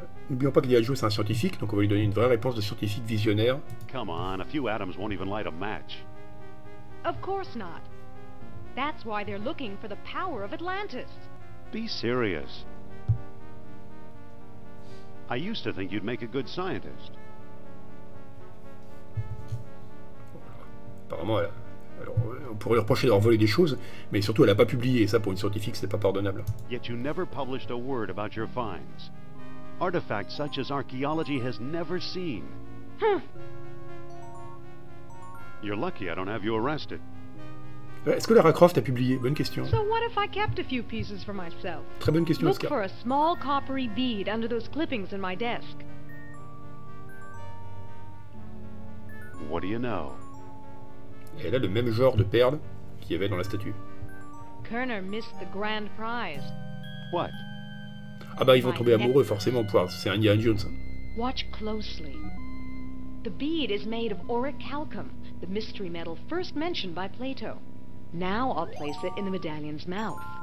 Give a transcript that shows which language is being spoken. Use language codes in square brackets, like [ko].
[fr] N'oublions pas que l'IAJO c'est un scientifique, donc on va lui donner une vraie réponse de scientifique visionnaire. [en] Come on, a few atoms won't even light a match. Of course not. That's why they're looking for the power of Atlantis. Be serious. I used to think you'd make a good scientist. [fr] Apparemment, alors, on pourrait lui reprocher d'avoir volé des choses, mais surtout elle a pas publié, et ça pour une scientifique c'est pas pardonnable. [en] Yet you never published a word about your finds. Artifacts such as archaeology has never seen. You're lucky I don't have you arrested. [fr] Est-ce que Lara Croft a publié? Bonne question. [en] So what if I kept a few pieces for myself? [fr] Très bonne question, Oscar. [en] Look for a small coppery bead under those clippings in my desk. What do you know? [fr] Elle a le même genre de perle qu'il y avait dans la statue. [en] Kerner missed the grand prize. What? [fr] Ah bah ils vont tomber amoureux forcément, c'est Indiana Jones. [en] Watch closely. The bead is made of auric calcum, the mystery metal first mentioned by Plato. Now I'll place it in the medallion's mouth.